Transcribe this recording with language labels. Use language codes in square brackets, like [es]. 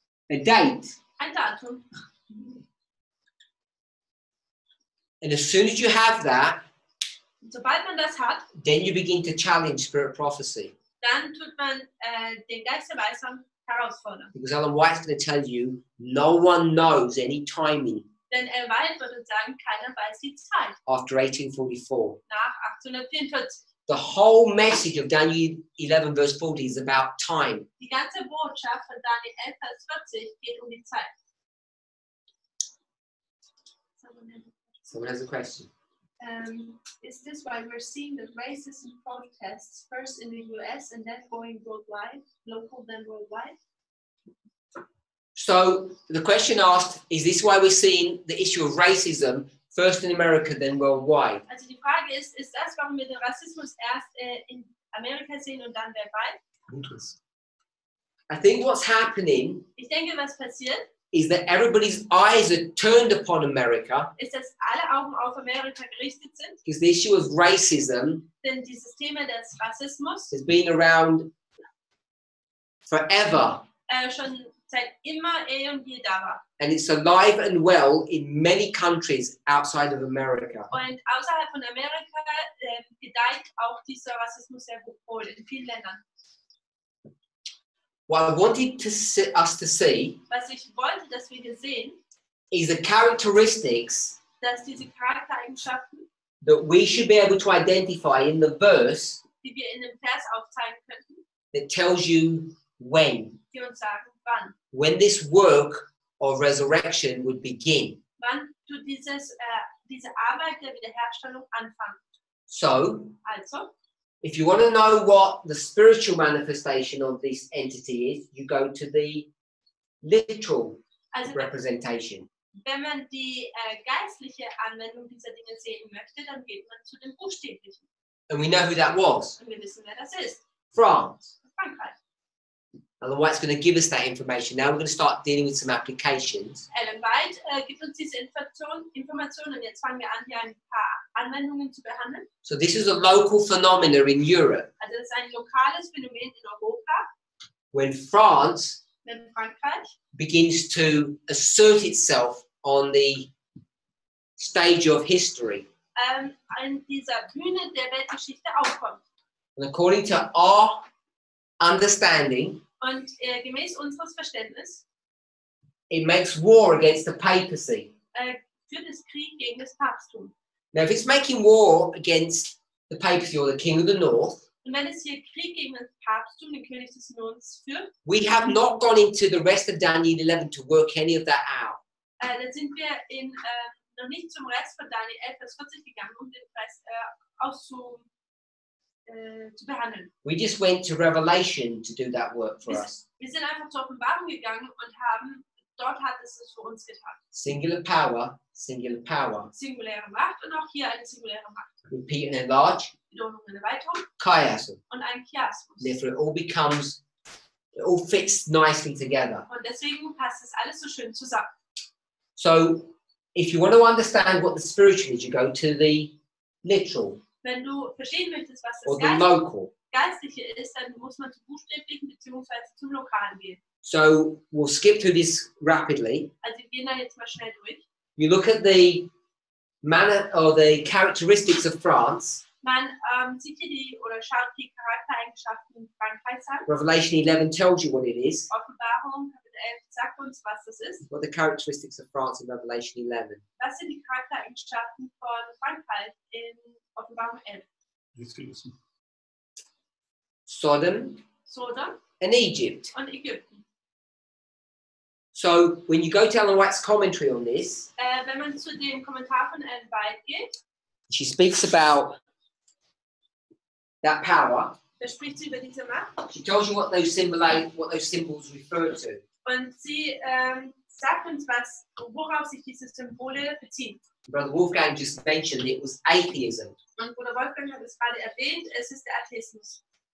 [en] A date. [de] Ein Datum. [en] And as soon as you have that. [de] Sobald man das hat, [en] then you begin to challenge spirit prophecy. [de] Dann tut man den Geist der Weisheit herausfordern. [en] Because Ellen White's going to tell you, no one knows any timing. [de] Denn Ellen White würde sagen, keiner weiß die Zeit. [en] After 1844. [de] Nach 1844. [en] The whole message of Daniel 11 verse 40 is about time. [de] Die ganze Botschaft von Daniel 11 Vers 40 geht um die Zeit. [en] Someone has a question. Is this why we're seeing the racism protests first in the US and then going worldwide, local then worldwide? So the question asked, is this why we're seeing the issue of racism first in America, then worldwide? [de] Also die Frage ist, ist das, warum wir den Rassismus erst in Amerika sehen und dann weltweit? Gutes. [en] I think what's happening, [de] ich denke, was passiert, [en] is that everybody's eyes are turned upon America. [de] Ist, dass alle Augen auf Amerika gerichtet sind? [en] Because the issue of racism, [de] denn dieses Thema des Rassismus, [en] has been around forever. [de] Schon seit immer eh und je da war. [en] And it's alive and well in many countries outside of America. [de] Und außerhalb von Amerika gedeiht auch dieser Rassismus sehr wohl in vielen Ländern. [en] What I wanted to see, us to see, [de] was ich wollte, dass wir sehen, [en] is the characteristics, [de] dass diese Charaktereigenschaften, [en] that we should be able to identify in the verse, [de] die wir in dem Vers aufzeigen könnten, [en] that tells you when, [de] die uns sagen, wann, [en] when this work of resurrection would begin. [de] Wann du dieses, diese Arbeit der Wiederherstellung anfangen. [en] So, [de] also, [en] if you want to know what the spiritual manifestation of this entity is, you go to the literal [de] also, [en] representation. [de] Wenn man die geistliche Anwendung dieser Dinge sehen möchte, dann geht man zu dem buchstäblichen. [en] And we know who that was. [de] Und wir wissen, wer das ist. [en] France. [de] Frankreich. [en] Ellen White's going to give us that information. Now we're going to start dealing with some applications. [de] Ellen White gibt uns diese Information und jetzt fangen wir an, hier ein paar Anwendungen zu behandeln. [en] So this is a local phenomenon in Europe. [de] Also das ist ein lokales Phänomen in Europa. [en] When France, [de] wenn Frankreich, [en] begins to assert itself on the stage of history. [de] An dieser Bühne der Weltgeschichte aufkommt. [en] And according to our understanding, [de] und gemäß unseres Verständnis, [en] it makes war against the papacy. [de] Führt es Krieg gegen das Papsttum. [en] Now, if it's making war against the papacy or the king of the north, we have not gone into the rest of Daniel 11 to work any of that out. [de] Dann sind wir in, noch nicht zum Rest von Daniel 11, Vers 40 gegangen, um den Rest zu behandeln. [en] We just went to Revelation to do that work for us. [de] Wir sind einfach zur Offenbarung gegangen und haben, dort hat es es für uns getan. [en] Singular power. Singular power. [de] Singuläre Macht und auch hier eine singuläre Macht. [en] Repeat and enlarge. [de] Wiederholung und Erweiterung. [en] Chiasm. [de] Und ein Chiasmus. [en] Therefore it all becomes, it all fits nicely together. [de] Und deswegen passt es alles so schön zusammen. [en] So, if you want to understand what the spiritual is, you go to the literal. [de] Wenn du verstehen möchtest, was das [en] or the local. [de] Geistliche ist, dann muss man zum Buchstäblichen bzw. zum Lokalen gehen. [en] So, we'll skip through this rapidly. [de] Also, wir gehen da jetzt mal schnell durch. [en] You look at the manner or the characteristics of France. [de] Man sieht hier die oder schaut die Charaktereigenschaften Frankreichs an. [en] Revelation 11 tells you what it is. [de] Offenbarung Kapitel 11 sagt uns, was das ist. [en] What are the characteristics of France in Revelation 11? [de] Was sind die Charaktereigenschaften von Frankreich in Offenbarung 11? [en] Sodom. And Egypt. [de] Und Ägypten. [en] So, when you go to Ellen White's commentary on this, [de] wenn man zu dem Kommentar von Ellen White geht, [en] she speaks about that power. [de] Da spricht sie über diese Macht. [en] She tells you what those symbolize, what those symbols refer to. [de] Und sie sagt uns, was, worauf sich diese Symbole beziehen. [en] Brother Wolfgang just mentioned it was atheism. [de] Und Bruder Wolfgang hat es gerade erwähnt, es ist der Atheismus.